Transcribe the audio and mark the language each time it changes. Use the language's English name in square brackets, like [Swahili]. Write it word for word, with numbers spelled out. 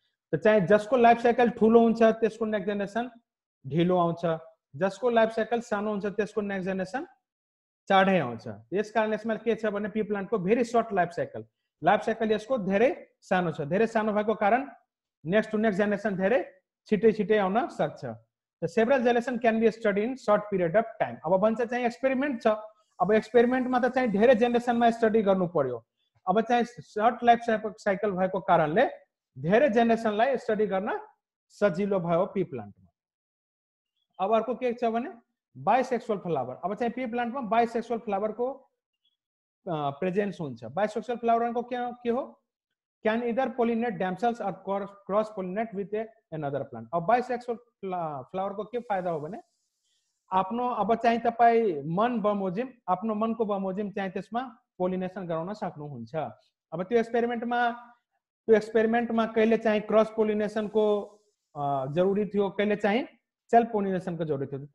[Nepali] त चाहिँ जसको लाइफ साइकल ठुलो हुन्छ त्यसको नेक्स्ट जेनेरेसन ढिलो आउँछ, जसको लाइफ साइकल सानो हुन्छ त्यसको नेक्स्ट जेनेरेसन चाँडै आउँछ। यस कारण यसमा के छ भने पी प्लान्टको very short life cycle, life cycle यसको धेरै सानो छ। धेरै सानो भएको कारण नेक्स्ट टु नेक्स्ट जेनेरेसन धेरै छिटै छिटै आउन सक्छ। [English] The several generation can be study in short period of time. [Nepali] अब भन्छ चाहिँ एक्सपेरिमेन्ट छ, अब एक्सपेरिमेन्टमा त चाहिँ धेरै जेनेरेसनमा स्टडी गर्नु पर्यो। अब चाहिँ सर्ट लाइफ साइकल भएको कारणले धेरै जेनेरेसनलाई स्टडी गर्न सजिलो भयो पी प्लान्टमा। अब अर्को के छ भने बाइसेक्सुअल फ्लावर, अब चाहिँ पी प्लान्टमा बाइसेक्सुअल फ्लावरको प्रेजेन्स हुन्छ। बाइसेक्सुअल फ्लावरको के के हो? [English] Can either pollinate themselves or cross pollinate with a another plant. [Nepali] अब बाइसेक्सुअल फ्लावरको के फाइदा हो भने आफ्नो अब चाहिँ तपाईँ मन बमोजिम आफ्नो मनको बमोजिम चाहिँ त्यसमा पोलिनेसन गराउन सक्नुहुन्छ। अब त्यो एक्सपेरिमेन्टमा त्यो एक्सपेरिमेन्टमा कहिले चाहिँ क्रस पोलिनेसनको जरुरी थियो, कहिले चाहिँ सेल्फ पोलिनेसनको जरुरी थियो।